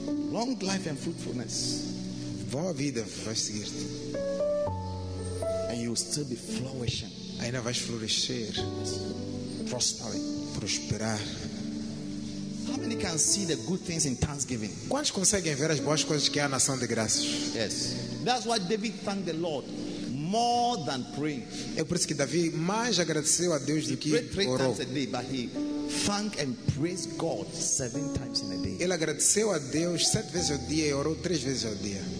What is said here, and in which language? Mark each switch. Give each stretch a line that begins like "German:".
English: Long life and fruitfulness.
Portuguese: Boa vida vai seguir-te.
English: And you will still be flourishing.
Portuguese: Ainda vais florescer. Prosperar.
English: How many can see the good things in thanksgiving?
Portuguese: Quantos conseguem ver as boas coisas que há na ação de graças?
English: Yes. That's why David thanked the Lord more than praying.
Portuguese: É por isso que Davi mais agradeceu a Deus do que orou.
English: He prayed three times a day, but he thanked and praised God seven times in a day.
Portuguese: Ele agradeceu a Deus sete vezes ao dia e orou três vezes ao dia.